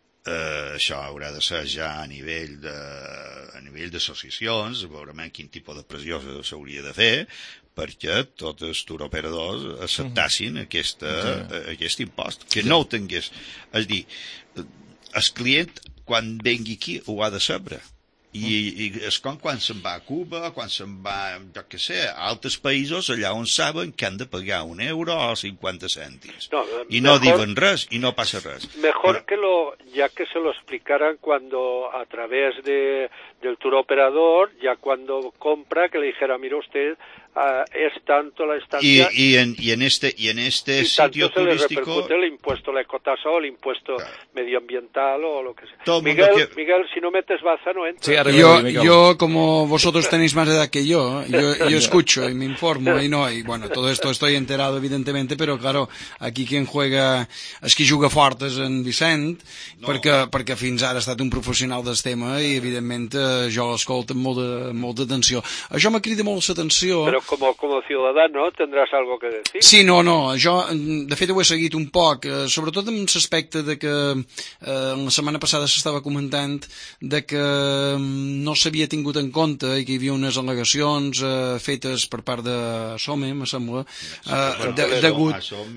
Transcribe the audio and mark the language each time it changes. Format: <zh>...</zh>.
<ca>Això haurà de ser ja a nivell d'associacions, veurement quin tipus de pressió s'hauria de fer perquè tots els turoperadors acceptassin aquest impost, que no ho tingués. És a dir, el client quan vengui aquí ho ha de saber. I és com quan se'n va a Cuba, quan se'n va, jo què sé, a altres països, allà on saben que han de pagar un euro o 50 cèntims. No, i no diuen res, i no passa res.</ca> <es>Mejor que lo, ya que se lo explicaran cuando, a través de, del tour operador, ya cuando compra, que le dijera, mira usted, es tanto la estancia... Y en este sitio se turístico... Y tanto se le impuesto, la ecotasa, el impuesto claro, medioambiental o lo que sea. Todo Miguel, que... Miguel, si no metes baza, no entra. Sí, arreglo, yo, como vosotros tenéis más edad que yo escucho y me informo y no, y bueno, todo esto estoy enterado, evidentemente, pero claro, aquí quien juega...</es> <ca>Es que juga fort es en Vicent, no. perquè fins ara ha estat un professional del tema i, evidentment, jo l'escolto amb molta atenció. Això m'ha cridat molt l'atenció. Però com a ciutadà, no?</ca> <es>Tendràs algo que decir? Sí, no.</es> <ca>Jo, de fet, ho he seguit un poc, sobretot amb l'aspecte de que la setmana passada s'estava comentant de que no s'havia tingut en compte i que hi havia unes al·legacions fetes per part de Somme, em sembla, degut...</ca>